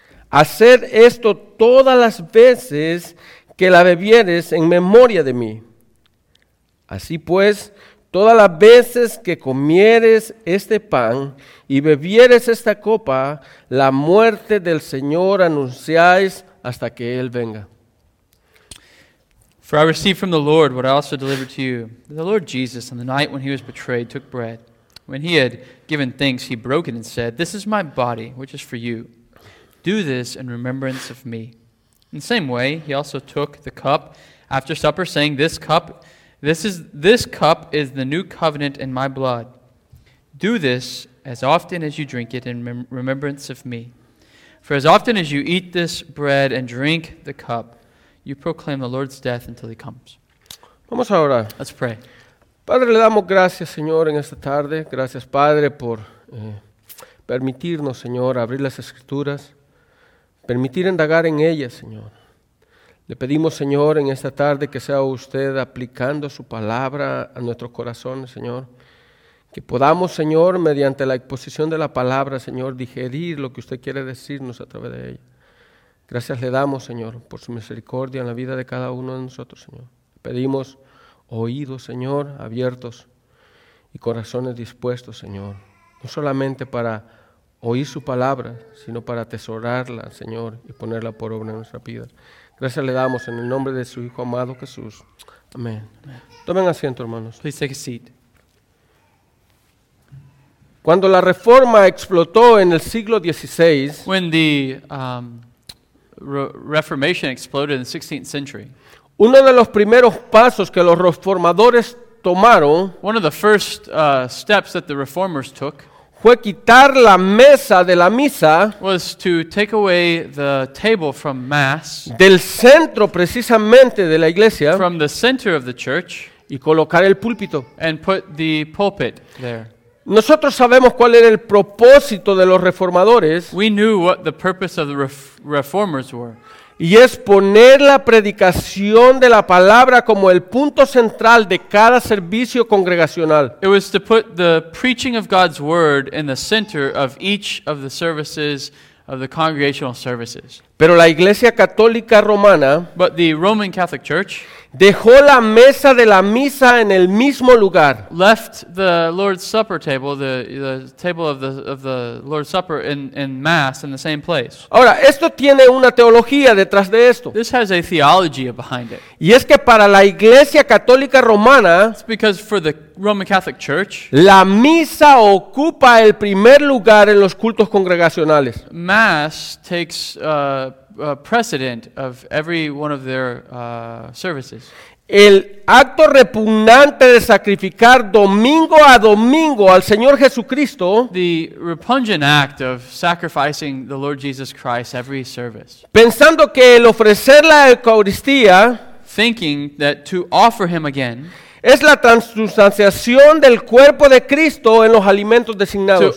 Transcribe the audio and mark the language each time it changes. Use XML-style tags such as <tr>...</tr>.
<es>Haced esto todas las veces que la bebieres en memoria de mí. Así pues, todas las veces que comieres este pan y bebieres esta copa, la muerte del Señor anunciáis hasta que Él venga.</es> <en>For I received from the Lord what I also delivered to you. The Lord Jesus, on the night when he was betrayed, took bread. When he had given thanks, he broke it and said, this is my body, which is for you. Do this in remembrance of me. In the same way, he also took the cup after supper, saying, This cup is the new covenant in my blood. Do this as often as you drink it in remembrance of me. For as often as you eat this bread and drink the cup, you proclaim the Lord's death until he comes.</en> <es>Vamos a orar.</es> <en>Let's pray.</en> <es>Padre, le damos gracias, Señor, en esta tarde. Gracias, Padre, por permitirnos, Señor, abrir las Escrituras. Permitir indagar en ellas, Señor. Le pedimos, Señor, en esta tarde que sea usted aplicando su palabra a nuestro corazón, Señor. Que podamos, Señor, mediante la exposición de la palabra, Señor, digerir lo que usted quiere decirnos a través de ella. Gracias le damos, Señor, por su misericordia en la vida de cada uno de nosotros, Señor. Pedimos oídos, Señor, abiertos y corazones dispuestos, Señor. No solamente para oír su palabra, sino para atesorarla, Señor, y ponerla por obra en nuestra vida. Gracias le damos en el nombre de su Hijo amado Jesús. Amén. Tomen asiento, hermanos.</es> <en>Please take a seat.</en> <es>Cuando la Reforma explotó en el siglo XVI,</es> <en>when the Reformation exploded in the 16th century,</en> <es>uno de los primeros pasos que los reformadores tomaron,</es> <en>one of the first steps that the reformers took,</en> <es>fue quitar la mesa de la misa,</es> <en>was to take away the table from mass,</en> <es>del centro precisamente de la iglesia,</es> <en>from the center of the church,</en> <es>y colocar el púlpito,</es> <en>and put the pulpit there.</en> <es>Nosotros sabemos cuál era el propósito de los reformadores.</es> <en>We knew what the purpose of the reformers were.</en> <es>Y es poner la predicación de la palabra como el punto central de cada servicio congregacional.</es> <en>It was to put the preaching of God's word in the center of each of the services of the congregational services.</en> <es>Pero la Iglesia Católica Romana,</es> <en>but the Roman Catholic Church,</en> <es>dejó la mesa de la misa en el mismo lugar.</es> <en>Left the Lord's Supper table, the table of the Lord's Supper in mass in the same place.</en> <es>Ahora, esto tiene una teología detrás de esto.</es> <en>This has a theology behind it.</en> <es>Y es que para la Iglesia Católica Romana,</es> <en>it's because for the Roman Catholic Church,</en> <es>la misa ocupa el primer lugar en los cultos congregacionales.</es> <en>Mass takes precedent of every one of their services.</en> <es>El acto repugnante de sacrificar domingo a domingo al Señor Jesucristo,</es> <en>the repugnant act of sacrificing the Lord Jesus Christ every service.</en> <es>Pensando que el ofrecer la Eucaristía,</es> <en>thinking that to offer him again</en> <es>es la transustanciación del cuerpo de Cristo en los alimentos designados.</es>